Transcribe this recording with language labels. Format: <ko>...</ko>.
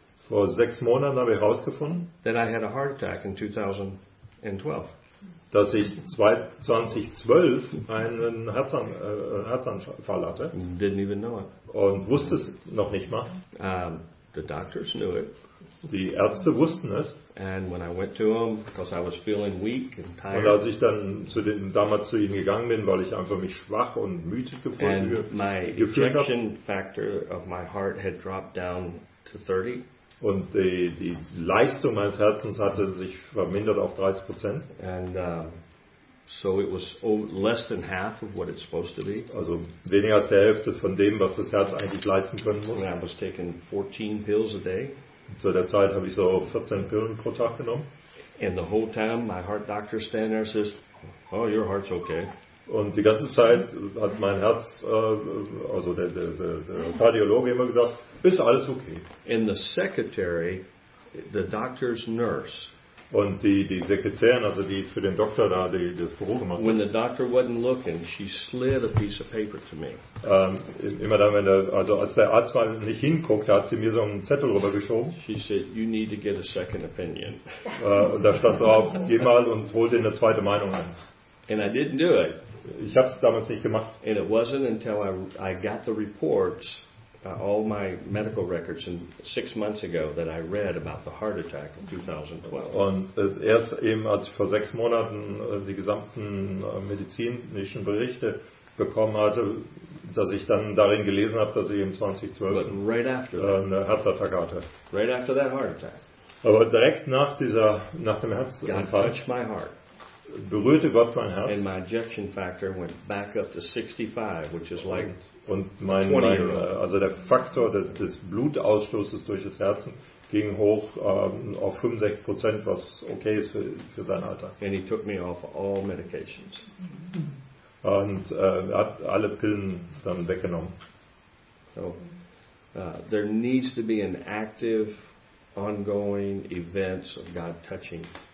<de>Vor 6 Monaten habe ich herausgefunden,</de> <en>that I had a heart attack in 2012.</en> <de>Dass ich 2012 einen Herzanfall hatte.</de> <en>Didn't even know it.</en> <de>Und wusste es noch nicht mal.</de> <en>The doctors knew it.</en> <de>Die Ärzte wussten es.</de> <en>And when I went to them, because I was feeling weak and tired.</en> <de>Und als ich dann damals zu ihnen gegangen bin, weil ich einfach mich schwach und müde gefühlt habe.</de> <en>And my ejection factor of my heart had dropped down to 30.</en> <de>Und die Leistung meines Herzens hatte sich vermindert auf 30%.</de> <en>And so it was less than half of what it's supposed to be.</en> <de>Also weniger als der Hälfte von dem, was das Herz eigentlich leisten können muss.</de> <en>And I was taking 14 pills a day.</en> <de>Zu der Zeit habe ich so 14 Pillen pro Tag genommen.</de> <en>And the whole time my heart doctor stand there and says, oh, your heart's okay.</en> <de>Und die ganze Zeit hat mein Herz, also der Kardiologe immer gesagt, ist alles okay.</de> <en>And the secretary, the doctor's nurse.</en> <de>Und die Sekretärin, also die für den Doktor da das Büro gemacht hat.</de> <en>When the doctor wasn't looking, she slid a piece of paper to me.</en> <de>Immer dann, als der Arzt mal nicht hinguckt, hat sie mir so einen Zettel rübergeschoben.</de> <en>She said, you need to get a second opinion.</en> <de>Und da stand drauf, geh mal und hol dir eine zweite Meinung ein.</de> <en>And I didn't do it.</en> <de>Ich habe es damals nicht gemacht.</de> <en>And it wasn't until I got the reports. All my medical records in 6 months ago that I read about the heart attack in 2012.</en> <de>Und erst eben als ich vor 6 Monaten die gesamten medizinischen Berichte bekommen hatte, dass ich dann darin gelesen habe, dass ich in 2012 eine Herzattacke hatte.</de> <en>Right after that heart attack.</en> <de>Aber direkt nach dem Herzinfarkt.</de> <en>God touched my heart.</en> <de>Berührte Gott mein Herz.</de> <en>And my ejection factor went back up to 65, which is like.</en> <de>Und also der Faktor des Blutausstoßes durch das Herzen ging hoch auf 65%, was okay ist für sein Alter.</de> <en>And he took me off all medications.</en> <de>Und er hat alle Pillen dann weggenommen.</de> <en>So, there needs to be an active, ongoing events of God touching.</en>